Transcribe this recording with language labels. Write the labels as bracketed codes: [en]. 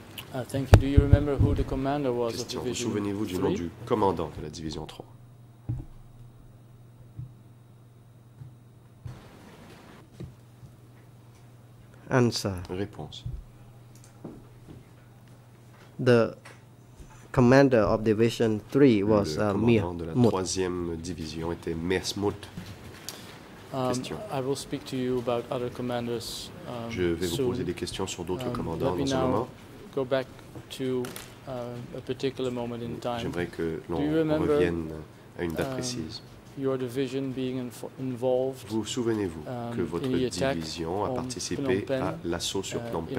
[en] Thank you. Do you remember who the commander was of Division 3? [fr] Vous souvenez-vous du nom du commandant de la Division 3? [en] Answer. [fr] Réponse. [en] The commander of Division 3 was Mir [fr] Mut. Le commandant de la 3e division était Mir Mut. [en] I will speak to you about other commanders [fr] Je vais vous poser des questions sur d'autres commandants dans ce moment. [en] Go back to a particular moment in time. [fr] J'aimerais que l'on revienne à une date précise. [en] Your division being involved. [fr] Vous souvenez-vous que votre division a participé à l'assaut sur Phnom Penh